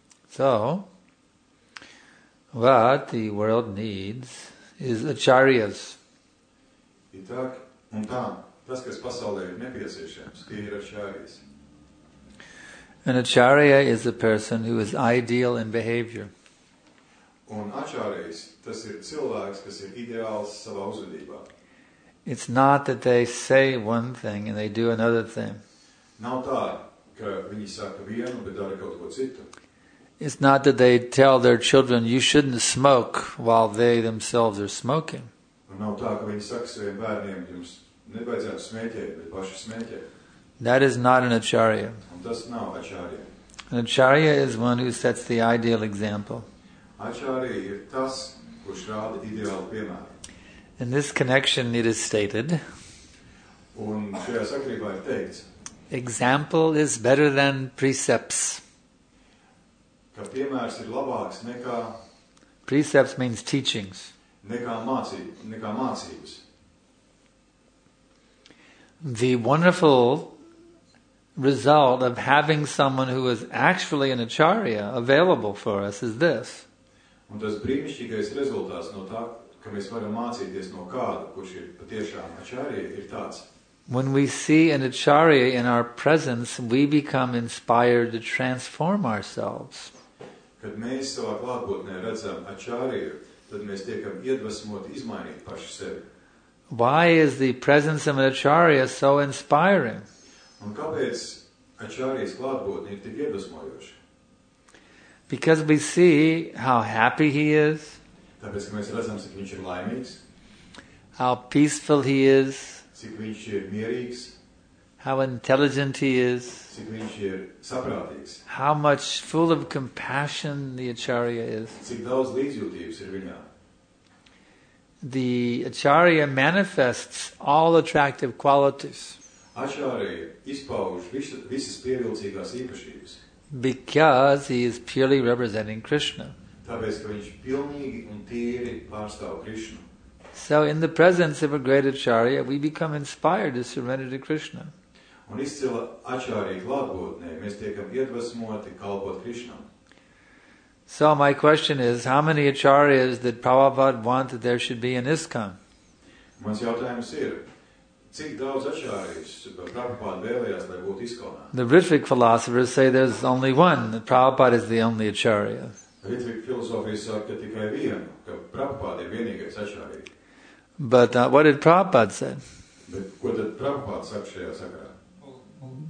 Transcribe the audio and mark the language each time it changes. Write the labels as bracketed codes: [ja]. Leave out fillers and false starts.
[en] So, what the world needs is acharyas. [lv] Itak, un tam, tas, kas pasaulē ir nepieciešams, ir acharyas. [en] An acharya is a person who is ideal in behavior. [lv] Un ačārējs, tas ir cilvēks, kas ir ideāls savā uzvedībā. [en] It's not that they say one thing and they do another thing. [lv] Nav tā, ka viņi saka vienu, bet dara kaut ko citu. [en] It's not that they tell their children, you shouldn't smoke while they themselves are smoking. [lv] Un nav tā, ka viņi saka saviem bērniem, jums nevajadzētu smēķēt, bet paši smēķēt. [en] That is not an ačārija. [lv] Un tas nav ačārija. [en] An ačārija is one who sets the ideal example. [lv] Acharya ir tas, kurš rāda ideālu piemēru. [en] In this connection it is stated, [lv] un šajā sakarībā ir teikts, [en] example is better than precepts. [lv] ka piemērs ir labāks nekā [en] precepts means teachings. [lv] Nekā mācības. [en] The wonderful result of having someone who is actually an acharya available for us is this. [lv] Un tas brīnišķīgais rezultāts no tā, ka mēs varam mācīties no kāda, kurš ir patiešām acharya, ir tāds. [en] When we see an acharya in our presence, we become inspired to transform ourselves. [lv] Kad mēs savā klātbūtnē redzam acharya, tad mēs tiekam iedvesmoti izmainīt pašu sevi. [en] Why is the presence of an acharya so inspiring? [lv] Un kāpēc acharyas klātbūtne ir tik iedvesmojoša? [en] Because we see how happy he is. [lv] Tāpēc, ka mēs redzam, cik viņš ir laimīgs. [en] How peaceful he is. [lv] Cik viņš ir mierīgs. [en] How intelligent he is. [lv] Cik viņš ir saprātīgs. [en] How much full of compassion the acharya is. [lv] Cik daudz līdzjūtības ir viņā. [en] The acharya manifests all attractive qualities. [lv] Acharya izpauž visas pievilcīgās īpašības. [en] Because he is purely representing Krishna. [lv] Tāpēc, ka viņš pilnīgi un tīri pārstāv Krishna. [en] So in the presence of a great acharya, we become inspired to surrender to Krishna. [lv] Un izcila acharya klātbūtnē, mēs tiekam iedvesmoti kalpot Krishna. [en] So my question is, how many acharyas did Prabhupada want that there should be in ISKCON? [lv] Mans jautājums ir, cik daudz acharyas Prabhupada vēlējās, lai būtu ISKCONā? [en] The Ritvik philosophers say there's only one, that Prabhupada is the only acharya. Ritvik philosophers [lv] saka, ka tikai vienu, ka Prabhupada ir vienīgais acharya. [en] But what did Prabhupada say? [lv] Bet ko tad Prabhupada saka šajā sakarā? Huh?